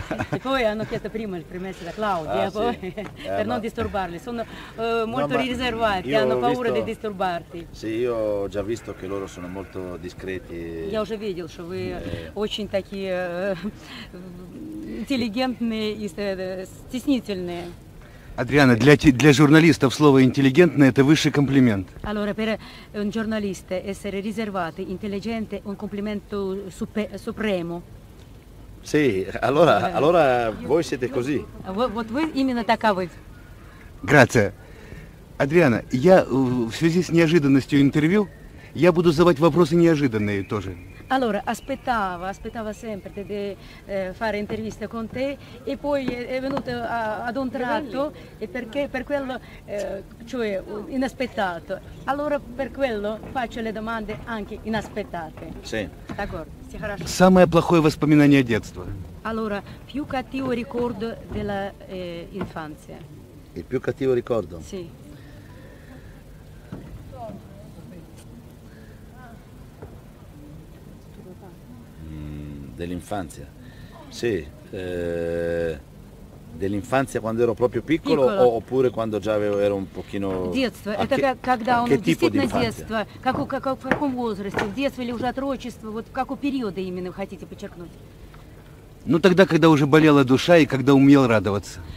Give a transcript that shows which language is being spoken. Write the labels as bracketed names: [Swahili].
[Italian] E poi hanno chiesto prima il permesso da Claudia, per non disturbarli, sono molto riservati, hanno paura di disturbarti. Sì, io ho già visto che loro sono molto discreti. [Russian] Я уже видел, что вы очень такие интеллигентные и стеснительные. Адриана, для журналистов слово интеллигентное – это высший комплимент. [Italian] Allora, per un giornalista essere riservato, intelligente, un complimento supremo. Sì, allora, allora voi siete così. [Russian] Вот вы именно таковы. [Italian] Grazie. [Russian] Adriana, я в связи с неожиданностью интервью, я буду задавать вопросы неожиданные тоже. [Italian] Allora, aspettava sempre di fare interviste con te e poi è venuto ad un tratto e perché per quello cioè inaspettato. Allora per quello faccio le domande anche inaspettate. Sì. D'accordo. [Russian] Самое плохое воспоминание детства. [Italian] Allora, più cattivo ricordo della infanzia. Il più cattivo ricordo? Sì. Dell'infanzia. Sì. Dell'infanzia quando ero proprio piccolo. Oppure quando già ero un pochino. [Russian] Детство. Это когда он действительно детство. Как в каком возрасте? В детстве или уже отрочество? Вот в какой период именно вы хотите подчеркнуть? Ну тогда, когда уже болела душа и когда умел радоваться.